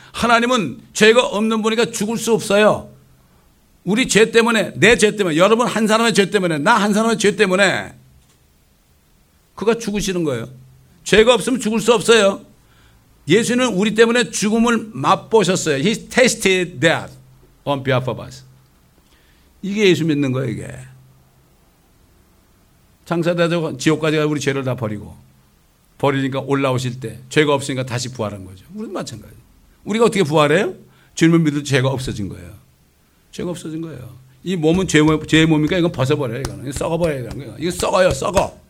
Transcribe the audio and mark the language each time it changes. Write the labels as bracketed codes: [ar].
[ko] 하나님은 죄가 없는 분이니까 죽을 수 없어요. 우리 죄 때문에, 내 죄 때문에, 여러분 한 사람의 죄 때문에, 나 한 사람의 죄 때문에 그가 죽으시는 거예요. 죄가 없으면 죽을 수 없어요. 예수는 우리 때문에 죽음을 맛보셨어요. [en] He tasted death on behalf of us. [ko] 이게 예수 믿는 거예요. 이게 장사되자고 지옥까지 가서 우리 죄를 다 버리고 버리니까 올라오실 때 죄가 없으니까 다시 부활한 거죠. 우리도 마찬가지예요. 우리가 어떻게 부활해요? 주님을 믿을 죄가 없어진 거예요. 죄가 없어진 거예요. 이 몸은 죄의 몸이니까 이건 벗어버려요. 이거는 썩어버려야 되는 거예요. 이거 썩어요. 썩어.